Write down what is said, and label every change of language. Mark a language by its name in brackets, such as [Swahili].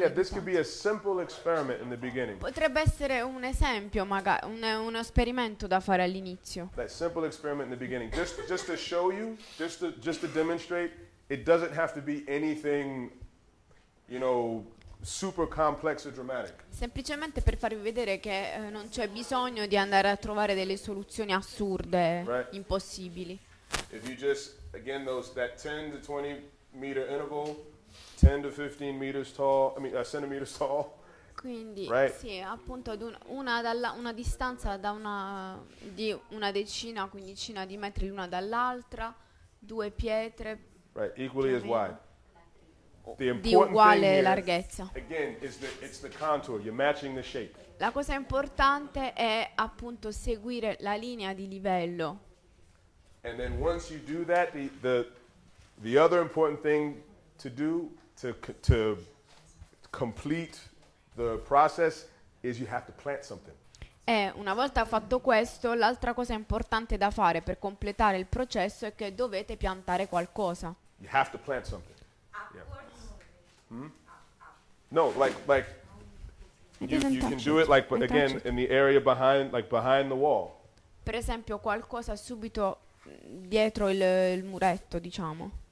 [English] Yeah, this could be a simple experiment in the beginning. [Italian] Potrebbe essere un esempio, magari un esperimento da fare all'inizio. [English] That simple experiment in the beginning, just to show you, just to demonstrate, it doesn't have to be anything, you know, super complex or dramatic. [Italian] Semplicemente per farvi vedere che non c'è bisogno di andare a trovare delle soluzioni assurde, [English] right, [Italian] impossibili. [English] If you just, again, those that 10 to 20 meter interval, 10 to 15 meters tall, I mean, centimeters tall. [Italian] Quindi, [English] right? [Italian] Sì, appunto, ad una distanza da una decina, quindicina di metri l'una dall'altra, due pietre. [English] Right, equally as wide. The important [Italian] di uguale [English] thing [Italian] larghezza. [English] Here, again, it's the contour, you're matching the shape. [Italian] La cosa importante è appunto seguire la linea di livello. [English] And then once you do that, the other important thing to do to complete the process is you have to plant something. [Italian] E una volta fatto questo, l'altra cosa importante da fare per completare il processo è che dovete piantare qualcosa. [English] You have to plant something. Yeah. Hmm? No, like you can do it like, but again, in the area behind, like behind the wall. [Italian] Per esempio, qualcosa subito dietro il muretto, diciamo.